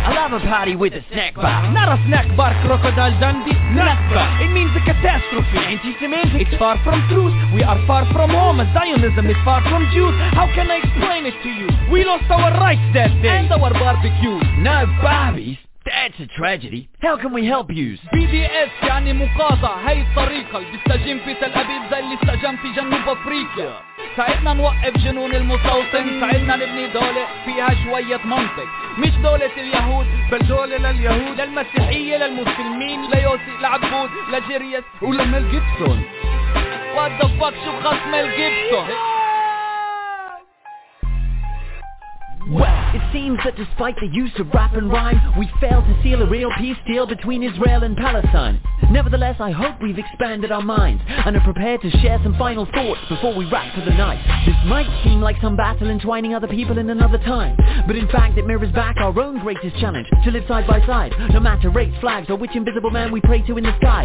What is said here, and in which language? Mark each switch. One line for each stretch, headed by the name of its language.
English: I love a party with a snack bar. Not a snack bar, Crocodile Dundee. Nakba. It means a catastrophe. Anti-Semitic. It's far from truth. We are far from home. Zionism is far from Jews. How can I explain it to you? We lost our rights that day. And our barbecues. No barbies? That's a tragedy. How can we help you?
Arabic: BDS, يعني مقاطعة. هاي الطريقة. بيستجم في تل أبيب زي اللي استجم في جنوب أفريقيا. ساعدنا نوقف جنون المستوطن. ساعدنا نبني دولة فيها شوية منطق. مش دولة اليهود بل دولة لليهود. للمسيحية للمسلمين. ليوسي لعبود لجيريس ولميل جيبسون.
English: What the fuck
Arabic: شو خص ميل جيبسون.
English: Well, it seems that despite the use of rap and rhyme, we failed to seal a real peace deal between Israel and Palestine. Nevertheless, I hope we've expanded our minds and are prepared to share some final thoughts before we wrap for the night. This might seem like some battle entwining other people in another time, but in fact it mirrors back our own greatest challenge, to live side by side, no matter race, flags, or which invisible man we pray to in the sky.